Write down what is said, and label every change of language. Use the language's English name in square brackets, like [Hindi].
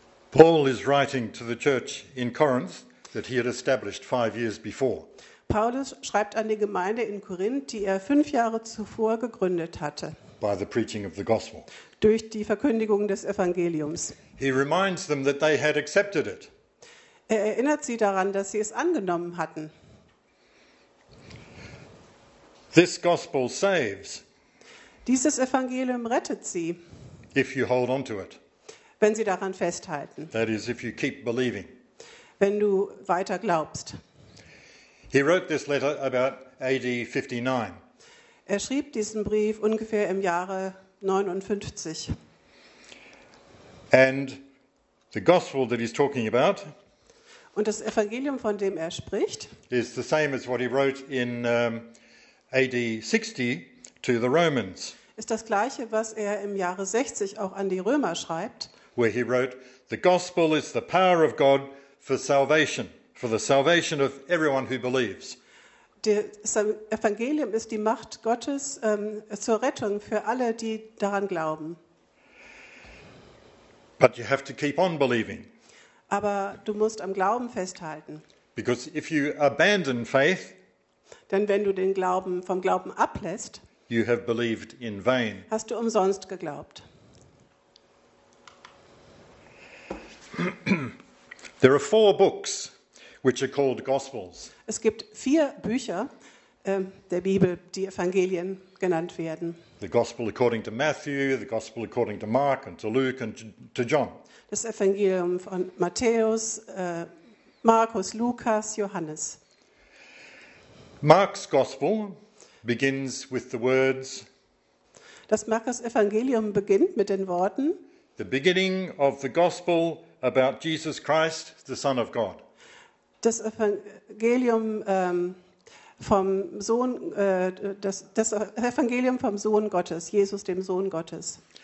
[English] Paul is writing to the church in Corinth that he had established 5 years before. [German] Paulus schreibt an die Gemeinde in Korinth, die er 5 Jahre zuvor gegründet hatte. [English] By the preaching of the gospel. [German] Durch die Verkündigung des Evangeliums. [English] He reminds them that they had accepted it. [German] Er erinnert sie daran, dass sie es angenommen hatten. [English] This gospel saves. [German] Dieses Evangelium rettet sie. [English] If you hold on to it. [German] Wenn sie daran festhalten. [English] That is, if you keep believing. [German] Wenn du weiter glaubst. [English] He wrote this letter about AD 59. [German] Er schrieb diesen Brief ungefähr im Jahre 59. [English] And the gospel that he's talking about. [German] Und das Evangelium, von dem er spricht, [English] is the same as what he wrote in AD 60 to the Romans. [German] Ist das gleiche, was er im Jahre 60 auch an die Römer schreibt. [English] Where he wrote, the gospel is the power of God for salvation, for the salvation of everyone who believes. [German] Das Evangelium ist die Macht Gottes zur Rettung für alle, die daran glauben. [English] But you have to keep on believing. [German] Aber du musst am Glauben festhalten. [English] Because if you abandon faith, [German] denn wenn du den Glauben vom Glauben ablässt, [English] you have believed in vain. [German] Hast du umsonst geglaubt. [English] There are 4 books which are called Gospels. [German] Es gibt 4 Bücher der Bibel, die Evangelien genannt werden. [English] The Gospel according to Matthew, the Gospel according to Mark and to Luke and to John. [German] Das Evangelium von Matthäus, Markus, Lukas, Johannes. [English] Mark's Gospel begins with the words. [German] Das Markus Evangelium beginnt mit den Worten. [English] The beginning of the Gospel about Jesus Christ, the Son of God. [German] Das Evangelium vom Sohn, das Evangelium vom Sohn Gottes, Jesus, dem Sohn Gottes.